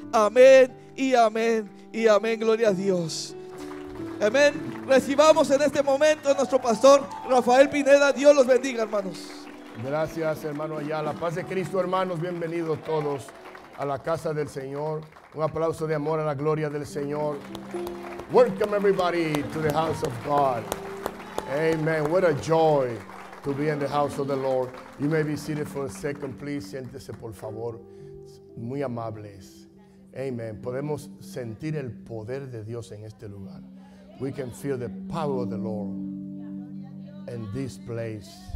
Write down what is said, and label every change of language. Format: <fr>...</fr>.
<es>Amén y amén y amén. Gloria a Dios. Amén. Recibamos en este momento a nuestro pastor Rafael Pineda. Dios los bendiga, hermanos. Gracias, hermano Ayala. Paz de Cristo, hermanos. Bienvenidos todos a la casa del Señor. Un aplauso de amor a la gloria del Señor.</es> <en>Welcome everybody to the house of God. Amen. What a joy to be in the house of the Lord. You may be seated for a second, please.</en> <es>Siéntese, por favor. Muy amables.</es> <en>Amen.</en> <es>Podemos sentir el poder de Dios en este lugar.</es> <en>We can feel the power of the Lord in this place.</en>